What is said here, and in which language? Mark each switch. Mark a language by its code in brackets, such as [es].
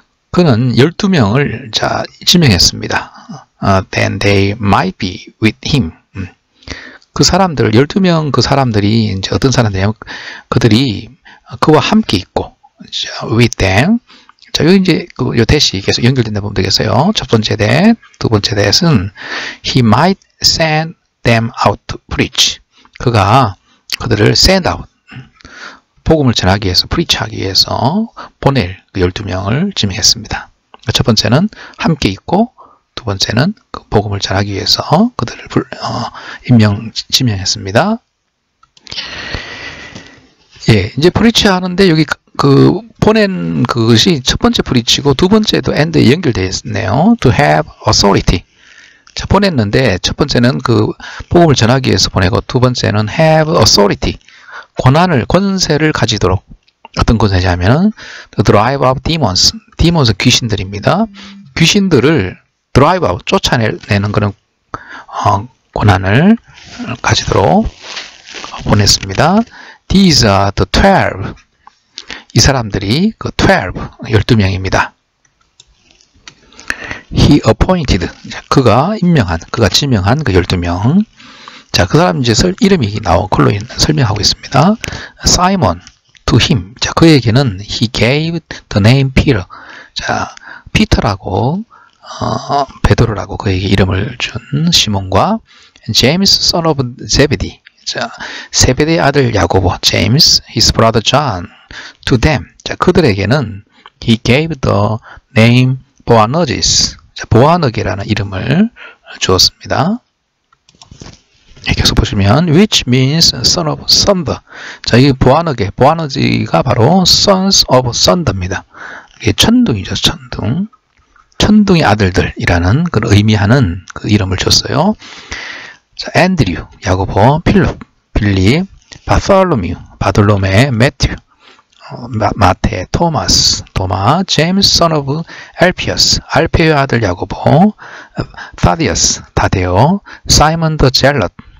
[ko] 그는 12명을 자 지명했습니다. [en] Then they might be with him. [ko] 그 사람들, 12명 그 사람들이 이제 어떤 사람들이냐면 그들이 그와 함께 있고 [en] with them. [ko] 자, 여기 이제 그 요 대시 계속 연결된다 보면 되겠어요. 첫 번째 대, 두 번째 대는 [en] he might send them out to preach. [ko] 그가 그들을 [en] send out, [ko] 복음을 전하기 위해서, preach 하기 위해서 보낼 그 12명을 지명했습니다. 첫 번째는 함께 있고 두 번째는 그 복음을 전하기 위해서 그들을 임명 지명했습니다. 예, 이제 프리치 하는데 여기 그 보낸 그것이 첫 번째 프리치고 두 번째도 end에 연결되어 있네요. [en] To have authority. [ko] 자, 보냈는데 첫 번째는 그 복음을 전하기 위해서 보내고 두 번째는 [en] have authority. [ko] 권한을, 권세를 가지도록. 어떤 권세냐면 [en] to drive out demons. [ko] demons 귀신들입니다. 귀신들을 드라이브 아웃, 쫓아내는 그런 권한을 가지도록 보냈습니다. [en] These are the 12. [ko] 이 사람들이 그 12, 12명입니다. [en] He appointed. [ko] 그가 임명한, 그가 지명한 그 12명. 자, 그 사람 이제 이름이 나온 걸로 설명하고 있습니다. [en] Simon to him. [ko] 자, 그에게는 [en] he gave the name Peter. [ko] 자, 피터라고 베드로라고 그에게 이름을 준 시몬과 제임스 [en] son of Zebedee. [ko] 자, 세베대의 아들 야고보, 제임스, [en] his brother John to them. [ko] 자, 그들에게는 [en] he gave the name Boanerges. [ko] 자, 보아너기라는 이름을 주었습니다. 계속 보시면 [en] which means son of thunder. [ko] 자, 이 보아너게, 보아너지가 바로 [en] sons of thunder [ko] 입니다. 이게 천둥이죠, 천둥. 천둥의 아들들이라는 그런 의미하는 그 이름을 줬어요. 자, 앤드류, 야고보, 필립, 빌립, 바톨로미우, 바돌로메, 매튜, 마테, 토마스, 도마, 제임스, [en] son of Alpheus, [ko] 알페의 아들 야고보, 타디어스, 다데오, 사이먼 더 젤럿.